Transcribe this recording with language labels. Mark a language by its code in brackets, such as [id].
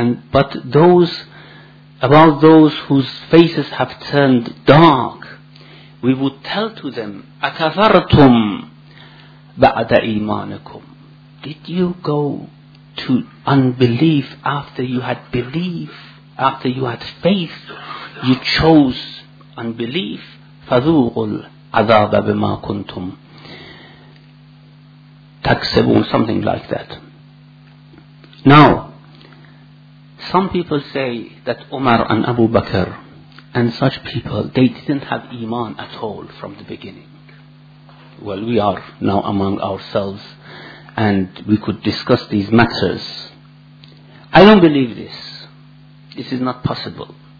[en] But those whose faces have turned dark, we would tell to them, [ar] أَكَفَرْتُمْ بَعْدَ إِيمَانِكُمْ. [en] Did you go to unbelief after you had belief, after you had faith? You chose unbelief. [ar] فَذُوقُوا الْعَذَابَ بِمَا كُنْتُمْ تَكْسِبُونَ, [en] something like that. Now, some people say that Umar and Abu Bakr and such people, they didn't have iman at all from the beginning. Well, we are now among ourselves, and we could discuss these matters. I don't believe this. This is not possible.